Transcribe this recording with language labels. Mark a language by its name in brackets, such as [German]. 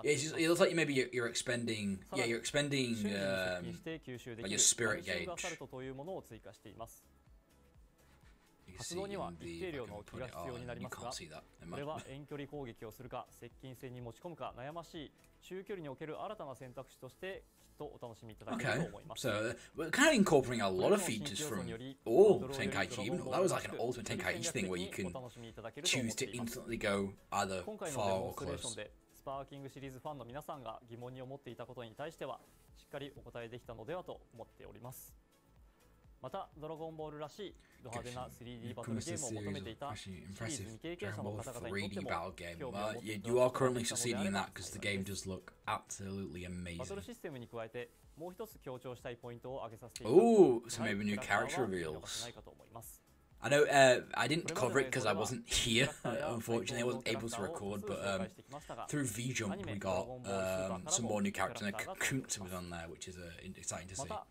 [Japanese] っています。 [English] It looks like maybe you're expending, yeah, you're expending, like your spirit gauge. [Japanese] アサルトというものを追加しています。発動には一定量の気が必要になりますが、これは遠距離攻撃をするか接近戦に持ち込むか悩ましい中距離における新たな選択肢として。 [English] Okay, so we're kind of incorporating a lot of features from all Tenkaichi, even though that was like an ultimate Tenkaichi thing where you can choose to instantly go either far or close. [Japanese] スパーキングシリーズファンの皆さんが疑問に思っていたことに対してはしっかりお答えできたのではと思っております。またドラゴンボールらしいド派手な 3D バトルゲームを求めていたシリーズ未経験者の方々にとっても興味を持っていただける。 [English] You are currently succeeding in that because the game does look absolutely amazing. [Japanese] バトルシステムに加えてもう一つ強調したいポイントを挙げさせていただきます。 [English] Oh, so maybe new character reveals. I know, I didn't cover it because I wasn't here, unfortunately, I wasn't able to record, but through V-Jump we got some more new characters, and Kakunta was on there, which is exciting to see.